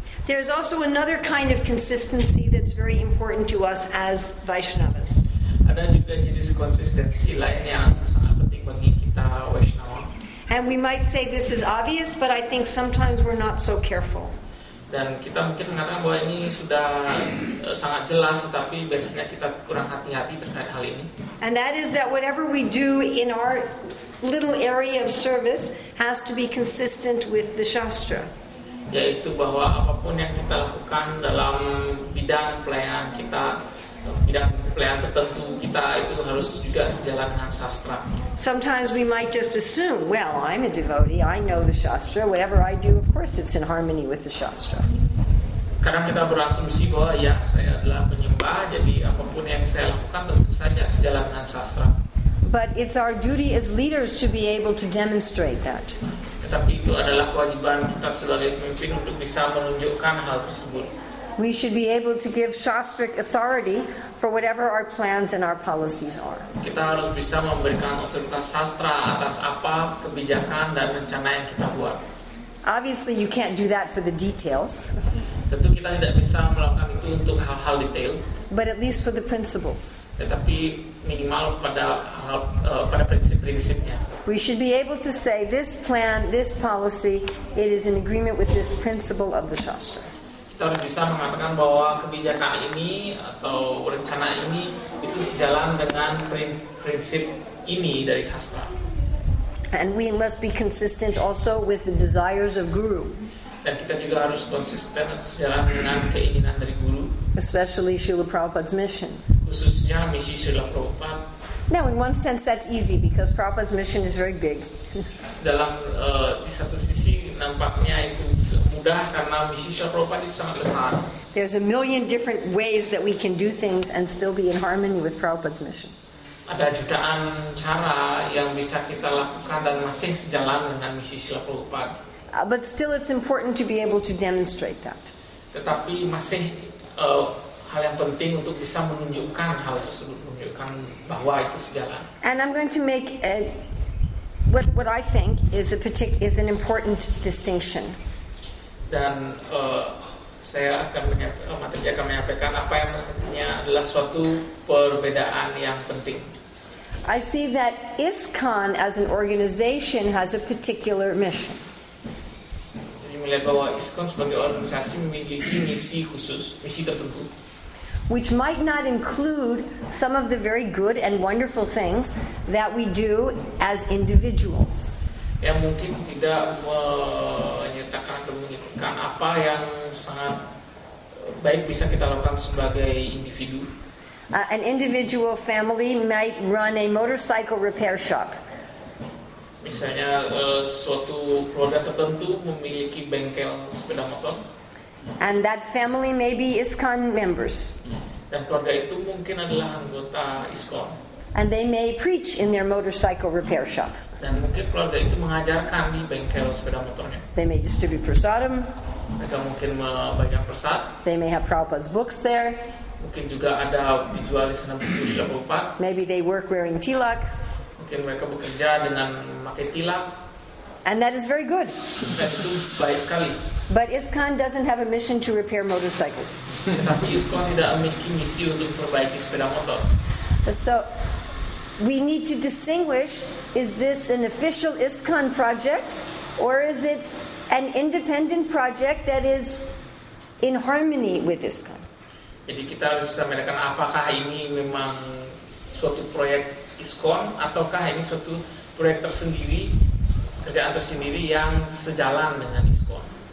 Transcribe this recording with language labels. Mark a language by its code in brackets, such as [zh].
[en] There's also another kind of consistency that's very important to us as Vaishnavas. [id] Ada juga jenis konsistensi lain yang sangat penting bagi kita Vaishnava. [en] And we might say this is obvious, but I think sometimes we're not so careful. [id] Dan kita mungkin mengatakan bahwa ini sudah sangat jelas, tetapi biasanya kita kurang hati-hati terkait hal ini. [en] And that is that whatever we do in our little area of service has to be consistent with the Shastra. [id] Yaitu bahwa apapun yang kita lakukan dalam bidang pelayanan kita, bidang pelayanan tertentu kita, itu harus juga sejalan dengan sastra. [en] Sometimes we might just assume, well, I'm a devotee, I know the shastra, whatever I do, of course it's in harmony with the shastra. [id] Kadang kita berasumsi bahwa, ya, saya adalah penyembah, jadi apapun yang saya lakukan tentu saja sejalan dengan sastra. [en] But it's our duty as leaders to be able to demonstrate that. [id] Tapi itu adalah kewajiban kita sebagai pemimpin untuk bisa menunjukkan hal tersebut. [en] We should be able to give shastric authority for whatever our plans and our policies are. [id] Kita harus bisa memberikan otoritas sastra atas apa kebijakan dan rencana yang kita buat. [en] Obviously you can't do that for the details. [id] Tentu kita tidak bisa melakukan itu untuk hal-hal detail. [en] But at least for the principles. [id] Tetapi minimal pada pada prinsip-prinsipnya. [en] We should be able to say this plan, this policy, it is in agreement with this principle of the shastra. [id] Kita harus bisa mengatakan bahwa kebijakan ini atau rencana ini itu sejalan dengan prinsip ini dari sastra. [en] And we must be consistent also with the desires of guru. [id] Dan kita juga harus konsisten atau sejalan dengan keinginan dari guru. [en] Especially Srila Prabhupada's mission. [id] Khususnya misi Srila Prabhupada. [en] Now, in one sense, that's easy because Prabhupada's mission is very big. [id] Dalam di satu sisi nampaknya itu mudah karena misi Srila Prabhupada itu sangat besar. [en] There's a million different ways that we can do things and still be in harmony with Prabhupada's mission. [id] Ada jutaan cara yang bisa kita lakukan dan masih sejalan dengan misi Srila Prabhupada. [en] But still, it's important to be able to demonstrate that. [id] Tetapi masih hal yang penting untuk bisa menunjukkan hal tersebut, menunjukkan bahwa itu sejalan. [en] And I'm going to make what I think is an important distinction. [id] Dan saya akan menyampaikan apa yang artinya adalah suatu perbedaan yang penting. [en] I see that ISKCON as an organization has a particular mission. [id] Jadi melihat bahwa ISKCON sebagai organisasi memiliki misi khusus, misi tertentu. [en] Which might not include some of the very good and wonderful things that we do as individuals. [id] Ya, mungkin tidak menyatakan atau menyebutkan apa yang sangat baik bisa kita lakukan sebagai individu. [en] An individual family might run a motorcycle repair shop. [id] misalnya suatu keluarga tertentu memiliki bengkel sepeda motor. [en] And that family maybe ISKCON members. [id] Dan keluarga itu mungkin adalah anggota ISKCON. [en] And they may preach in their motorcycle repair shop. [id] Dan mungkin keluarga itu mengajarkan di bengkel sepeda motornya. [en] They may distribute prasadam. [id] Mereka mungkin membagikan prasad. [en] They may have Prabhupada's books there. [id] Mungkin juga ada dijual di sana buku Srila Prabhupada. [en] Maybe they work wearing tilak. [id] Mungkin mereka bekerja dengan memakai tilak. [en] And that is very good. [id] Dan itu baik sekali. [en] But ISKCON doesn't have a mission to repair motorcycles. [id] Tapi ISKCON tidak memiliki misi untuk memperbaiki sepeda motor. [en] So we need to distinguish, is this an official ISKCON project or is it an independent project that is in harmony with ISKCON? [id] Jadi kita harus membedakan apakah ini memang suatu proyek ISKCON ataukah ini suatu proyek tersendiri, kerjaan tersendiri yang sejalan dengan ISKCON.